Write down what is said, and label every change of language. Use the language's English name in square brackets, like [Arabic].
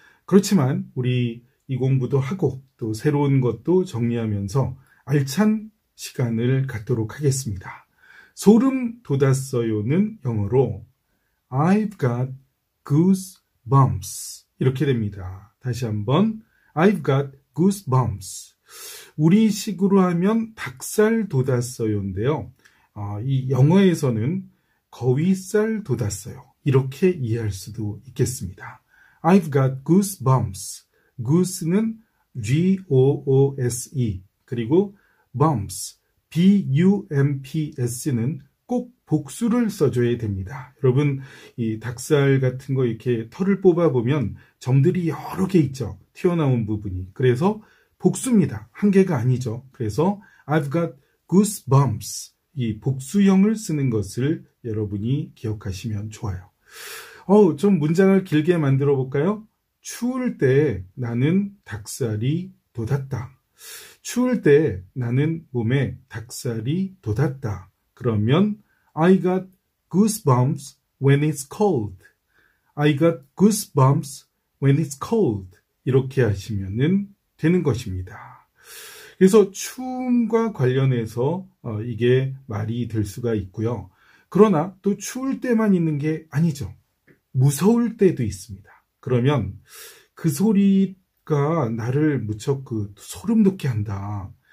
[Korean] 그렇지만 우리 이 공부도 하고 또 새로운 것도 정리하면서 알찬 시간을 갖도록 하겠습니다. 소름 돋았어요는 영어로 [English] I've got goosebumps [Korean] 이렇게 됩니다. 다시 한번 [English] I've got goosebumps. [Korean] 우리 식으로 하면 닭살 돋았어요인데요. 이 영어에서는 거위살 돋았어요. 이렇게 이해할 수도 있겠습니다. [English] I've got goosebumps. [Korean] Goose는 G-O-O-S-E 그리고 bumps, B-U-M-P-S는 꼭 복수를 써줘야 됩니다. 여러분, 이 닭살 같은 거 이렇게 털을 뽑아보면 점들이 여러 개 있죠. 튀어나온 부분이. 그래서 복수입니다. 한 개가 아니죠. 그래서 [English] I've got goosebumps. [Korean] 이 복수형을 쓰는 것을 여러분이 기억하시면 좋아요. 좀 문장을 길게 만들어 볼까요? 추울 때 나는 닭살이 돋았다. 추울 때 나는 몸에 닭살이 돋았다. 그러면 [English] I got goosebumps when it's cold. I got goosebumps when it's cold. [Korean] 이렇게 하시면은 되는 것입니다. 그래서 추움과 관련해서 이게 말이 될 수가 있고요. 그러나 또 추울 때만 있는 게 아니죠. 무서울 때도 있습니다. 그러면 그 소리가 나를 무척 그 소름 돋게 한다.